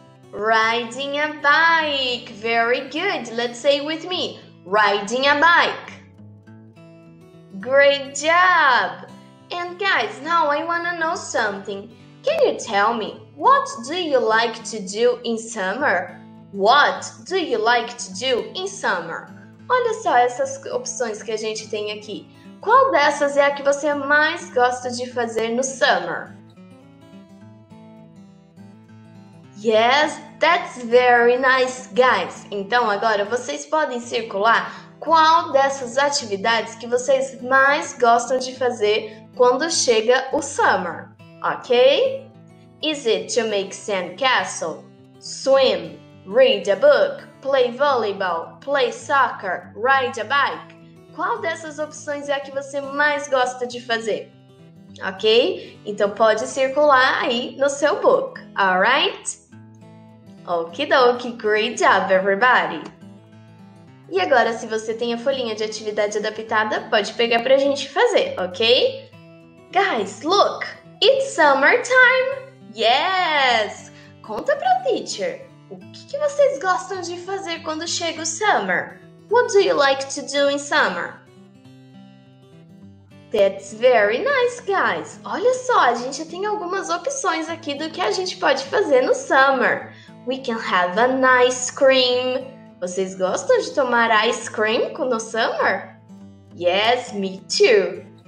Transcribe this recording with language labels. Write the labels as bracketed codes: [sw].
[en] Riding a bike. Very good. Let's say with me, riding a bike. Great job. And guys, now I want to know something. Can you tell me, what do you like to do in summer? What do you like to do in summer? [pt] Olha só essas opções que a gente tem aqui. Qual dessas é a que você mais gosta de fazer no summer? [en] Yes, that's very nice, guys. [pt] Então, agora, vocês podem circular qual dessas atividades que vocês mais gostam de fazer quando chega o summer, ok? [en] Is it to make sandcastle, swim, read a book, play volleyball, play soccer, ride a bike? [pt] Qual dessas opções é a que você mais gosta de fazer, ok? Então, pode circular aí no seu book, alright? [en] Okie dokie, great job, everybody! [pt] E agora, se você tem a folhinha de atividade adaptada, pode pegar pra gente fazer, ok? [en] Guys, look! It's summertime! Yes! [pt] Conta pra teacher, o que, que vocês gostam de fazer quando chega o summer? [en] What do you like to do in summer? That's very nice, guys! [pt] Olha só, a gente tem algumas opções aqui do que a gente pode fazer no summer. [en] We can have an ice cream. [pt] Vocês gostam de tomar ice cream no summer? [en] Yes, me too.